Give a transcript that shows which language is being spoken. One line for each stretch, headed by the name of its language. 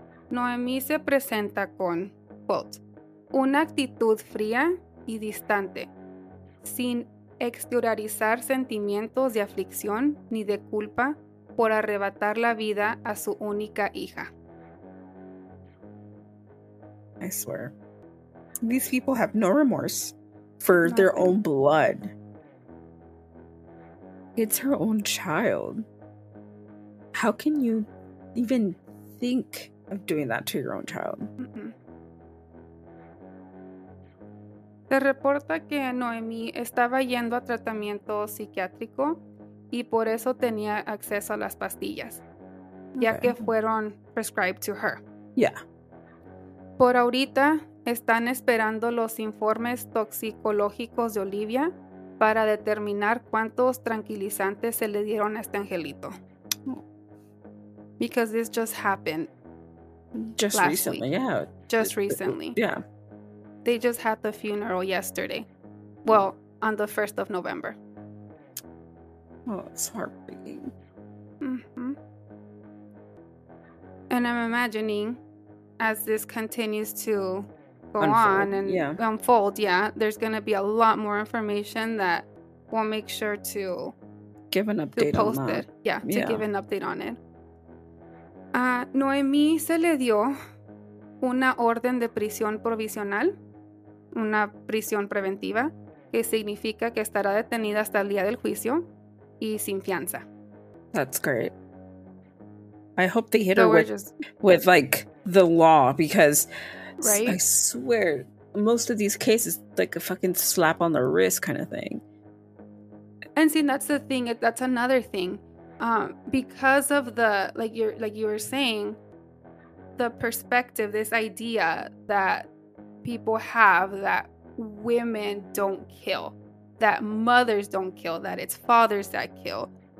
Spanish: Noemí se presenta con, quote, una actitud fría y distante, sin exteriorizar sentimientos de aflicción ni de culpa por arrebatar la vida a su única hija.
English: I swear. These people have no remorse for their own blood. It's her own child. How can you even think of doing that to your own child?
Spanish: Se reporta que Noemí estaba yendo a tratamiento psiquiátrico y por eso tenía acceso a las pastillas, ya que fueron
English: prescribed to her. Yeah.
Spanish: Por ahorita están esperando los informes toxicológicos de Olivia para determinar cuántos tranquilizantes se le dieron a este angelito.
English: Because this just happened. Just recently. Yeah. They just had the funeral yesterday. Well, on the 1st of November. Oh, it's heartbreaking. Mm-hmm. And I'm imagining as this continues to go unfold, there's going to be a lot more information that we'll make sure to give an update to post on that. Give an update on it.
Spanish: Noemí se le dio una orden de prisión provisional, una prisión preventiva, que significa que estará detenida hasta el día del juicio y sin fianza.
English: That's great. I hope they hit her with the law, because I swear, most of these cases, like a fucking slap on the wrist kind of thing. And see, that's the thing. That's another thing. Because of the, like you were saying, the perspective, this idea that people have that women don't kill, that mothers don't kill, that it's fathers that kill.